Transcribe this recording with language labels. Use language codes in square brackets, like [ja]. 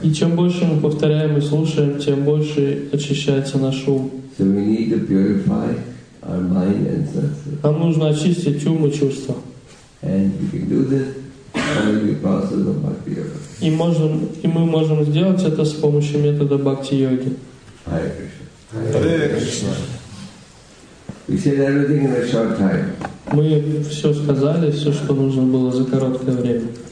[ru] И чем больше мы повторяем и слушаем, тем больше очищается наш ум. [en] So we need to purify our mind and senses. [ru] Нам нужно очистить ум и чувства. [en] And we can do this through the process of bhakti yoga. [ru] И мы можем сделать это с помощью метода бхакти йоги. [sa] Hare Krishna. Hare Krishna. [en] We said everything in a short time. [ru] Мы все сказали, все, что нужно было за короткое время.